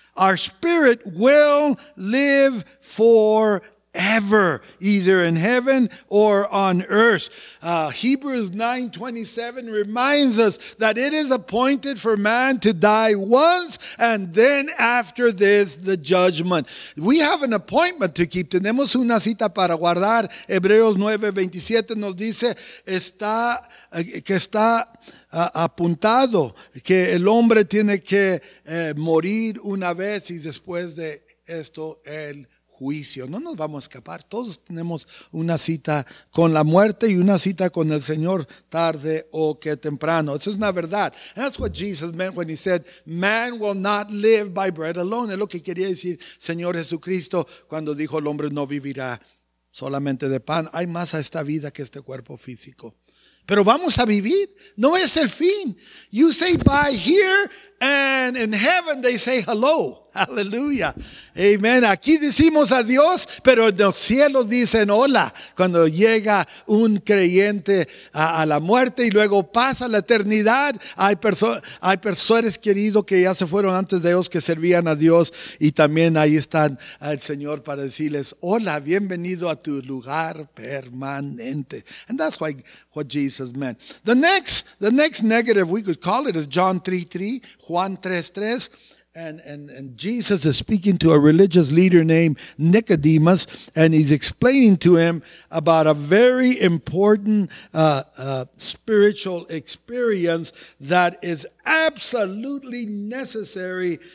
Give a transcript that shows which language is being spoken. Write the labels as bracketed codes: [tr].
[en] Our spirit will live forever, either in heaven or on earth. Hebrews 9:27 reminds us that it is appointed for man to die once, and then after this, the judgment. We have an appointment to keep. [es] Tenemos una cita para guardar. Hebreos 9:27 nos dice que está apuntado que el hombre tiene que morir una vez, y después de esto el juicio. No nos vamos a escapar. Todos tenemos una cita con la muerte y una cita con el Señor, tarde o que temprano. Eso es una verdad. [en] That's what Jesus meant when he said, man will not live by bread alone. [es] Es lo que quería decir Señor Jesucristo cuando dijo, el hombre no vivirá solamente de pan. Hay más a esta vida que este cuerpo físico. Pero vamos a vivir. No es el fin. [en] You say bye here, and in heaven they say hello. Hallelujah. Amen. [es] Aquí decimos adiós, pero en los cielos dicen hola. Cuando llega un creyente a la muerte y luego pasa la eternidad, hay personas queridos que ya se fueron antes de ellos, que servían a Dios, y también ahí están al Señor para decirles hola, bienvenido a tu lugar permanente. [en] And that's what Jesus meant. The next negative we could call it is John 3:3, Juan 3:3. And Jesus is speaking to a religious leader named Nicodemus, and he's explaining to him about a very important spiritual experience that is absolutely necessary